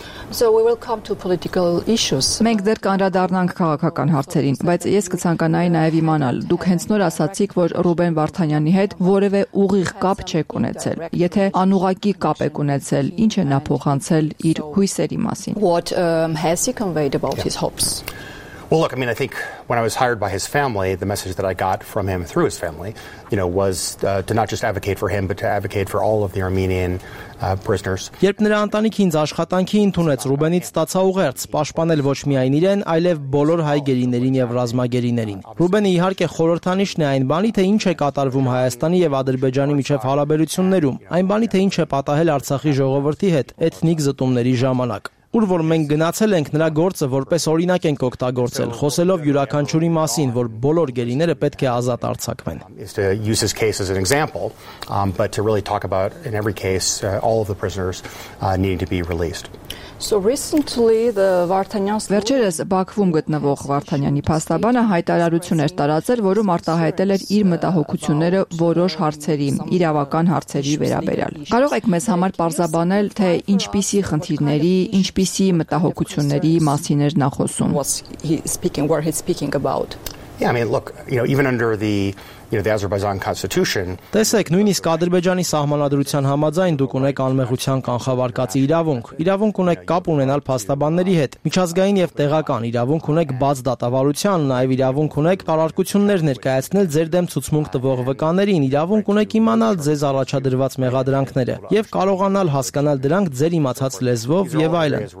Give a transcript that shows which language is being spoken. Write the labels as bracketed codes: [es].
[en] So we will come to political issues. [hy] Մենք դեռ կանրադառնանք քաղաքական հարցերին, բայց ես կցանկանայի նաև իմանալ, դուք հենց նոր ասացիք, որ Ռուբեն Վարդանյանի հետ որևէ ուղիղ կապ չեք ունեցել։ Եթե անուղակի կապ եք ունեցել, ի՞նչ է նա փոխանցել իր հույսերի մասին։ [en] What has he conveyed about his hopes? Well, look, I mean, I think when I was hired by his family, the message that I got from him through his family, you know, was to not just advocate for him, but to advocate for all of the Armenian prisoners. [hy] Երբ նրա ընտանիքին ինձ աշխատանքի ընդունեց, Ռուբենից ստացա ուղերձ պաշտպանել ոչ միայն իրեն, այլև բոլոր հայ գերիներին եւ ռազմագերիներին։ Ռուբենը իհարկե խորհրդանիշն է այն բանի, թե ինչ է կատարվում Հայաստանի եւ Ադրբեջանի միջև հարաբերություններում, այն բանի, թե ինչ է պատահել Արցախի ժողովրդի հետ էթնիկ զտումների ժամանակ։ ուր որ մենք գնացել ենք, նրա գործը որպես օրինակ ենք օգտագործել, խոսելով յուրաքանչյուրի մասին, որ բոլոր գերիները պետք է ազատ արձակվեն։ [en] So recently the Vartanyan's [hy] վերջերս Բաքվում գտնվող Վարդանյանի փաստաբանը հայտարարություն էր տարածել, որում արտահայտել էր իր մտահոգությունները որոշ հարցերի, իրավական հարցերի վերաբերյալ։ Կարո՞ղ եք մեզ համար պարզաբանել, թե ինչպիսի խնդիրների, ինչպիսի մտահոգությունների մասին էր նա խոսում։ [en] Yeah, I mean, look, you know, even under the, you know, the Azerbaijan constitution. [hy] Տեսեք, նույնիսկ Ադրբեջանի սահմանադրության համաձայն դուք ունեք անմեղության կանխավարկածի իրավունք։ Իրավունք ունեք կապ ունենալ փաստաբանների հետ, միջազգային եւ տեղական իրավունք ունեք բաց դատավարության, նաեւ իրավունք ունեք կարարկություններ ներկայացնել ձեր դեմ ցուցմունք տվող վկաներին, իրավունք ունեք իմանալ ձեզ առաջադրված մեղադրանքները եւ կարողանալ հասկանալ դրանք ձեր իմացած լեզվով եւ այլն։